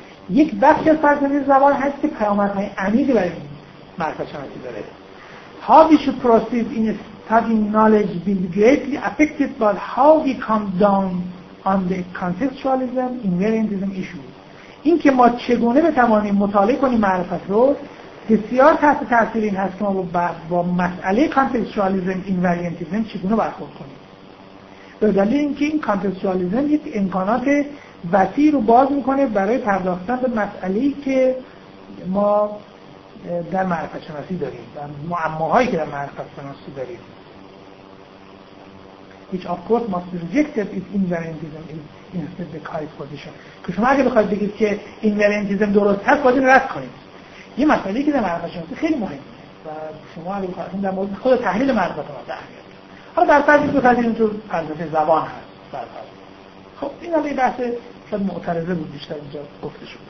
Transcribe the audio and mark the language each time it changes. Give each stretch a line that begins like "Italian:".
Persian: یک بخش از فلسفه زبان هست که پیامدهای عمیقی برای معرفت شناسی داره.
English: How we should proceed in studying knowledge will be greatly affected by how we come down on the contextualism, invariantism issue.
Persian: این که ما چگونه بتوانیم مطالعه کنیم معرفت رو بسیار تحت تاثیر این هست که ما با مسئله contextualism, invariantism چگونه برخورد کنیم. به دلیل اینکه این contextualism یک امکانات وسیع رو باز میکنه برای پرداختن به مسئله‌ای که ما در معرفت شناسی داریم و معماهایی که در معرفت شناسی داریم.
English: Which of course must be rejected if invariantism is instead the correct position.
Persian: که شما اگه بخواید بگید که invariantism درست هست باید این رد کنید. یه مسئله که در معرفت شناسی خیلی مهمه و شما اگه بخواید در مورد خود تحلیل معرفت ما در بیارید. حالا در فرض بخواید اینطور فلسفه زبان هست. خب این هم یه بحث شاید معترضه بود بیشتر اینجا گفته شد.